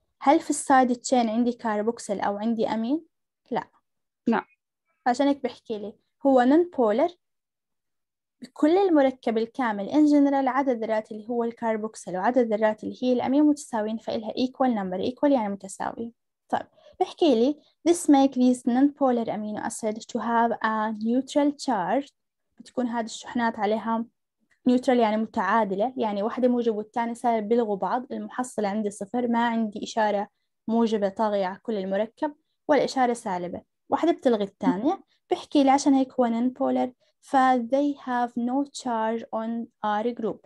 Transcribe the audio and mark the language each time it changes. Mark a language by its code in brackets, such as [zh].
[ar] هل في السايد تشين عندي كاربوكسل أو عندي أمين؟ لا لا، عشان هيك بحكي لي هو نون بولر بكل المركب الكامل ان جنرال عدد الذرات اللي هو الكربوكسل وعدد الذرات اللي هي الامين متساويين، فالها ايكوال نمبر، ايكوال يعني متساوي. [en] طيب بحكي لي this make these non polar amino acids to have a neutral charge، [ar] بتكون هذه الشحنات عليها نيوترال يعني متعادلة، يعني واحدة موجب والتانية سالب بيلغوا بعض، المحصلة عندي صفر، ما عندي إشارة موجبة طاغية على كل المركب ولا إشارة سالبة، واحدة بتلغي التانية. بحكي لي عشان هيك هو نون بولر، ف [en] they have no charge on R group.